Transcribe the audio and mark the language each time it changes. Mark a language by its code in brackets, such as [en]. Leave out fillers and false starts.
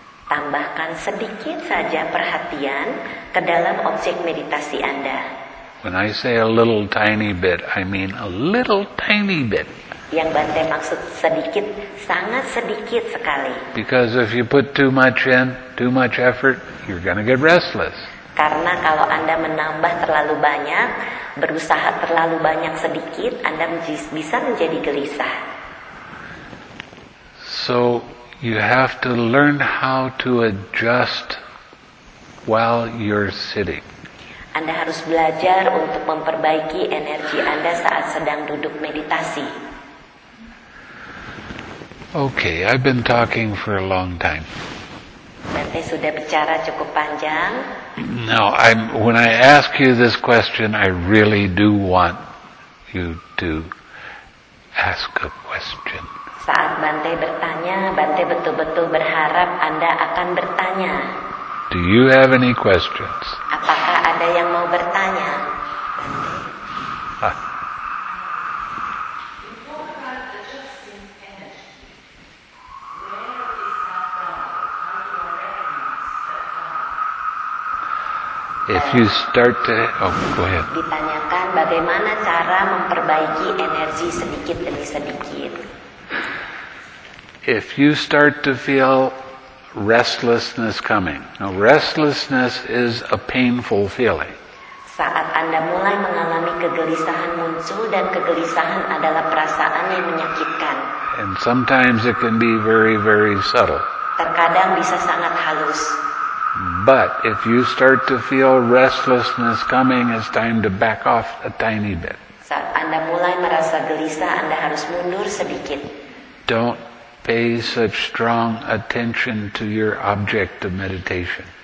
[id] Tambahkan sedikit saja perhatian ke dalam objek meditasi Anda. [en] When I say a little tiny bit, I mean a little tiny bit. [id] Yang Bante maksud sedikit, sangat sedikit sekali. [en] Because if you put too much in, too much effort, you're going to get restless. [id] Karena kalau Anda menambah terlalu banyak, berusaha terlalu banyak sedikit, Anda bisa menjadi gelisah. [en] So you have to learn how to adjust while you're sitting. [id] Anda harus belajar untuk memperbaiki energi Anda saat sedang duduk meditasi. [en] Okay, I've been talking for a long time. [id] Bante sudah bicara cukup panjang. [en] Now, when I ask you this question, I really do want you to ask a question. [id] Saat Bante bertanya, Bante betul-betul berharap Anda akan bertanya. [en] Do you have any questions? [id] Apakah ada yang mau bertanya? [en] If you start to, go ahead. [id] Ditanyakan bagaimana cara memperbaiki energi sedikit demi sedikit. [en] If you start to feel restlessness coming. Now, restlessness is a painful feeling. [id] Saat Anda mulai mengalami kegelisahan muncul dan kegelisahan adalah perasaan yang menyakitkan. [en] And sometimes it can be very, very subtle. [id] Terkadang bisa sangat halus. [en] But if you start to feel restlessness coming, it's time to back off a tiny bit. [id] Saat Anda mulai merasa gelisah, Anda harus mundur sedikit. [en] Don't pay such strong attention to your object of meditation.